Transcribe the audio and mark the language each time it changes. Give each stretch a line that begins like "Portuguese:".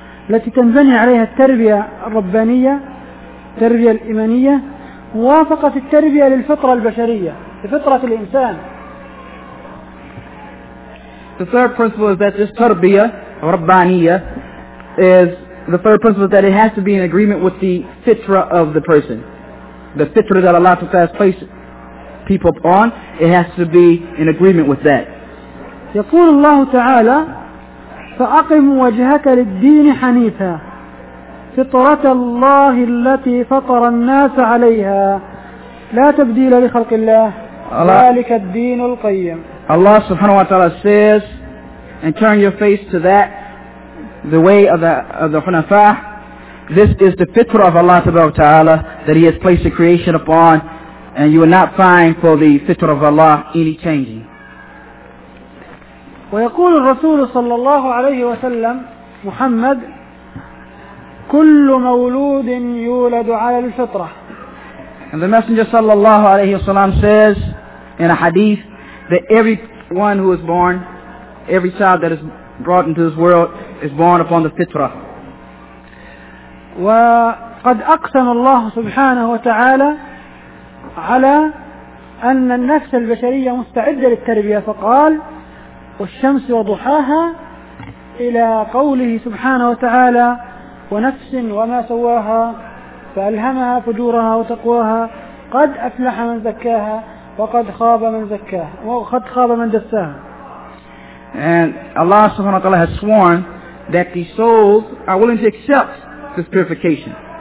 Arabic: التي تنبني عليها التربية الربانية التربية الإيمانية موافقة التربية للفطرة البشرية لفطرة الإنسان.
English: The third principle is that this
Arabic: تربية ربانية
English: is the third principle that it has to be in agreement with the fitra of the person. The fitra that Allah Ta'ala has placed people upon, it has to be in agreement with that.
Arabic: يقول الله تعالى فأقم وجهك للدين حنيفا فطرة الله التي فطر الناس عليها لا تبديل لخلق الله ذلك الدين القيم.
English: Allah subhanahu wa ta'ala says, and turn your face to that, the way of the Hunafa. This is the fitra of Allah ta'ala that He has placed the creation upon, and you will not find for the fitra of Allah any changing.
Arabic: ويقول الرسول صلى الله عليه وسلم محمد كل مولود يولد على الفطرة.
English: And the messenger
Arabic: صلى الله عليه وسلم
English: says in a hadith that every one who is born, every child that is brought into this world is born upon the fitra.
Arabic: وقد أقسم الله سبحانه وتعالى على أن النفس البشرية مستعدة للتربية فقال والشمس وضحاها إلى قوله سبحانه وتعالى ونفس وما سواها فألهمها فجورها وتقواها قد أفلح من زكاها وقد خاب من زكاها وقد خاب من دساها.
English: And Allah subhanahu wa ta'ala has sworn that the souls are willing to accept this purification.